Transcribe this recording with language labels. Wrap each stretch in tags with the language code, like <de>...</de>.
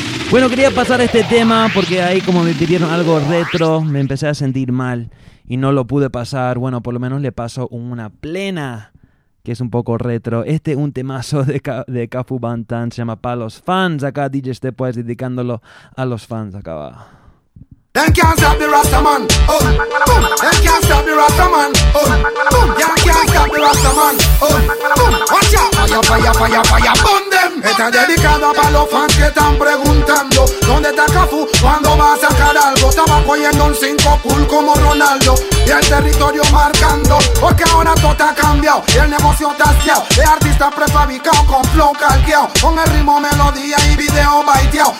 <es>Bueno, quería pasar este tema porque ahí como me pidieron algo retro, me empecé a sentir mal y no lo pude pasar. Bueno, por lo menos le paso una plena, que es un poco retro. Este es un temazo de Cafu Bantan, se llama Pa' los Fans. Acá DJ Stepo es dedicándolo a los fans. Acá va.</es> <en>Them can't stop the Rasta man, oh, boom. Them can't stop the Rasta man, oh, boom. Them can't stop the Rasta man, oh, boom. Watch out, fire, fire, fire, fire, burn them.</en> <es>Está dedicado para los fans que están preguntando, ¿dónde está Cafu? ¿Cuándo va a sacar algo? Estaba cogiendo un 5 cool como Ronaldo y el territorio marcando, porque ahora todo está cambiado y el negocio está haciao. El artista prefabricado con flow calqueado, con el ritmo, melodía y video baiteado.</es>